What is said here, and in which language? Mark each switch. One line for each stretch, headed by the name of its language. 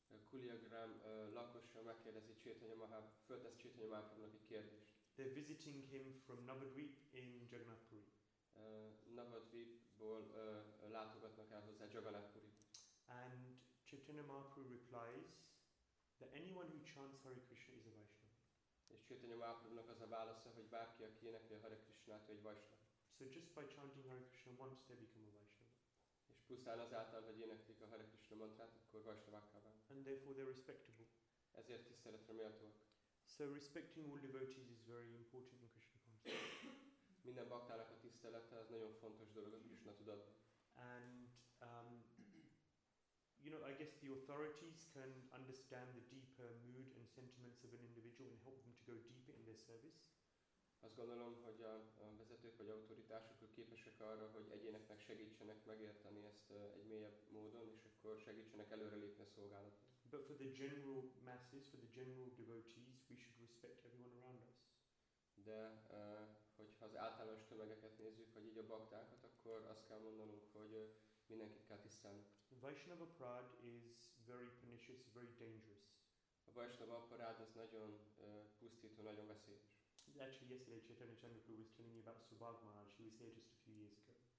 Hungarian: Kuliagram lakosa megkérdezi Chaitanya Mahaprabhu, föltesz Chaitanya Mahaprabhu egy kérdést.
English: They're visiting him from Navadvip in Jagannath Puri.
Hungarian: Navadvipból látogatnak el hozzá Jagannath Puri.
English: And Chaitanya Mahaprabhu replies that anyone who chants Hare Krishna is a Vaishnava.
Hungarian: És Chaitanya Mahaprabhunak az a válasza, hogy bárki, aki énekli a Hare Krishnát, ő egy Vaishnava.
English: So just by chanting Hare Krishna once they become a Vaishnava.
Hungarian: És pusztán azáltal, hogy éneklik a Hare Krishna mantrát, akkor Vaishnavákká válnak.
English: And therefore they're respectable.
Hungarian: Ezért tiszteletre méltóak.
English: So respecting all devotees is very important in Krishna consciousness.
Hungarian: Minden baktának a tisztelete az nagyon fontos dolog a Krishna tudatban.
English: And you know, I guess the authorities can understand the deeper mood and sentiments of an individual and help them to go deeper in their service.
Hungarian: Azt gondolom, hogy a vezetők vagy autoritások képesek arra, hogy egyéneknek segítsenek megérteni ezt egy mélyebb módon, és akkor segítsenek előrelépni a szolgálatban.
English: But for the general masses, for the general devotees, we should respect everyone around us.
Hungarian: De hogyha az általános tömegeket nézzük, vagy így a baktákat, akkor azt kell mondanunk, hogy mindenkit kell tisztelnünk.
English: Vaishnava Parad is very pernicious, very dangerous.
Hungarian: A Vaishnava Parad az nagyon pusztító, nagyon veszélyes.
English: Actually, yesterday Chaitanya Chandrapur was telling me about Subhag Maharaj. He was here just a few years ago.